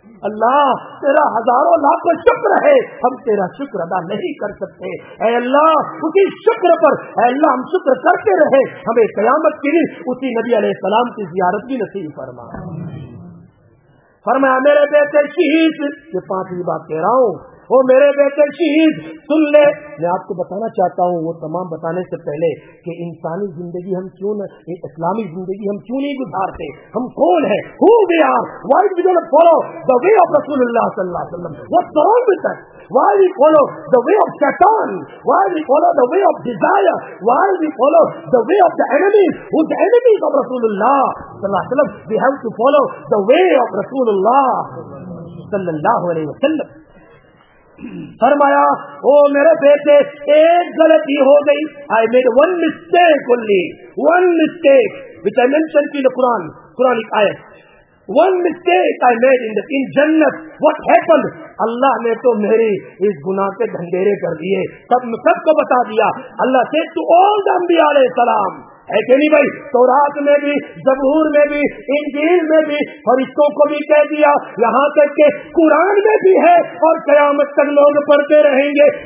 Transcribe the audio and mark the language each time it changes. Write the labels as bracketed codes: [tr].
[ur] اللہ تیرا ہزاروں لاکھوں شکر ہے، ہم تیرا شکر ادا نہیں کر سکتے. اے اللہ اسی شکر پر، اے اللہ ہم شکر کرتے رہے، ہمیں قیامت کے دن اسی نبی علیہ السلام کی زیارت بھی نصیب فرما. فرمایا میرے بیٹے شہید، یہ پانچویں بات کہہ رہا ہوں، وہ میرے بیٹے شہید سن لے. میں آپ کو بتانا چاہتا ہوں وہ تمام بتانے سے پہلے کہ انسانی زندگی ہم کیوں نہ، اسلامی زندگی ہم کیوں نہیں گزارتے، ہم کون ہیں، [en] who we are, why we don't follow the way of رسول اللہ صلی اللہ علیہ وسلم, what's wrong with us, why we follow the way of Satan, why we follow the way of desire, why we follow the way of the enemies, who the enemies of رسول اللہ صلی اللہ علیہ وسلم, we have to follow the way of رسول اللہ صلی اللہ علیہ وسلم. [ur] فرمایا او میرے بیٹے ایک غلطی ہو گئی. [en] I made one mistake only, one mistake which I mention in the Quran, [ur] قرآن کی آیت، [en] One mistake I made in the in جنت. What happened? [ur] اللہ نے تو میری اس گناہ کے ڈھنڈیرے کر دیے، سب سب کو بتا دیا. اللہ سے تو آل دا انبیاء علیہ السلام ہے کہ نہیں بھائی، تورات میں بھی، زبور میں بھی، انجیل میں بھی، فرشتوں کو بھی کہہ دیا، یہاں تک کہ قرآن میں بھی ہے اور قیامت تک لوگ پڑھتے رہیں گے.